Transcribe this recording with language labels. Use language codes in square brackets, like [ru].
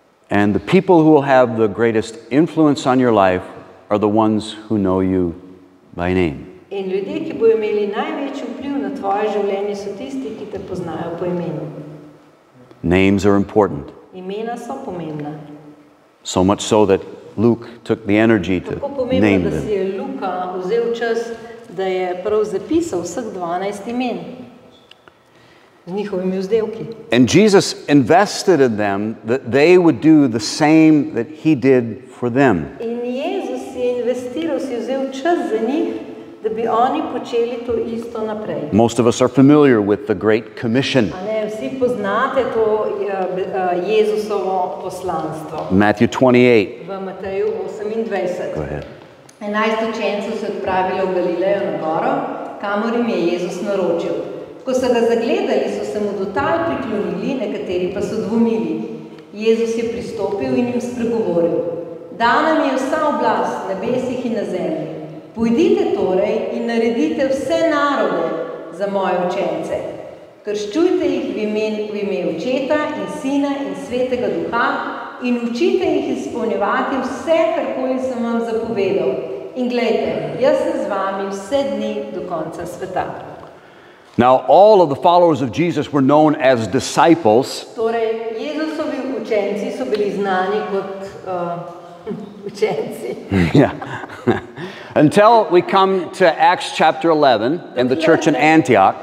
[en] And the people who will have the greatest influence on your life are the ones who know you by name. [sl] In ljudje, ki bodo imeli največji vpliv na tvoje življenje, so tisti, ki te poznajo po imenu. [en] Names are important. [sl] Imena so pomembna. [en] So much so that Luke took the energy to name them. [sl] Tako pomembno, da si je Luka vzel čas, da je prav zapisal vseh 12 imen z njihovimi vzdevki. [en] And Jesus invested in them that they would do the same that he did for them. [sl] In Jezus je investiral, si vzel čas za njih, da bi oni počeli to isto naprej. [en] Most of us are familiar with the Great Commission. [sl] Vsi poznate to Jezusovo poslanstvo. [en] Matthew 28. [sl] V Mateju 28. [en] Go ahead. [sl] 11 učencev se odpravilo v Galilejo na goro, kamor jim je Jezus naročil. Ko so ga zagledali, so se mu do tal priklonili, nekateri pa so dvomili. Jezus je pristopil in jim spregovoril. Dana mi je vsa oblast, nebesih in na zemlji. Pojdite torej in naredite vse narode za moje učence. Krščujte jih v ime Očeta in Sina in Svetega Duha in učite jih izpolnjevati vse, karkoli sem vam zapovedal. In glejte, jaz sem z vami vse dni do konca sveta. [en] Now all of the followers of Jesus were known as disciples. [sl] Torej, Jezusovi učenci so bili znani kot učenci. [en] Yeah. Until we come to Acts chapter 11 and the church in Antioch.